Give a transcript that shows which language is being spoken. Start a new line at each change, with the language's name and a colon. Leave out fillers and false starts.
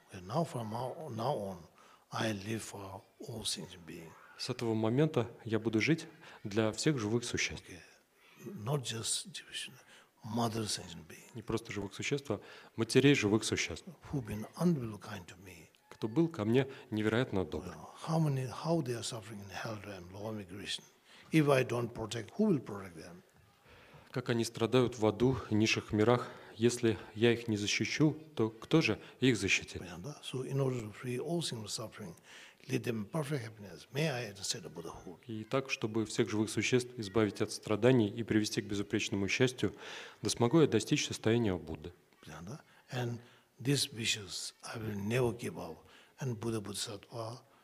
English: And now, from now on, I live for all sentient beings.
Russian: С этого момента я буду жить для всех живых существ.
English: Okay. Not just division. Mother sentient beings.
Russian: Не просто живых существ, а матерей живых существ.
English: Who been unbelievably kind to me?
Russian: Кто был ко мне невероятно добр.
English: How many, how they are suffering in hell realm, low immigration. If I don't protect, who will protect them?
Russian: Как они страдают в аду, в низших мирах, если я их не защищу, то кто же их защитит?
English: So in order to free all sinful suffering, lead them in perfect happiness, may I instead of Buddhahood.
Russian: И так, чтобы всех живых существ избавить от страданий и привести к безупречному счастью, да смогу я достичь состояния Будды.
English: And these wishes I will never give up. And Buddha Bodhisattva,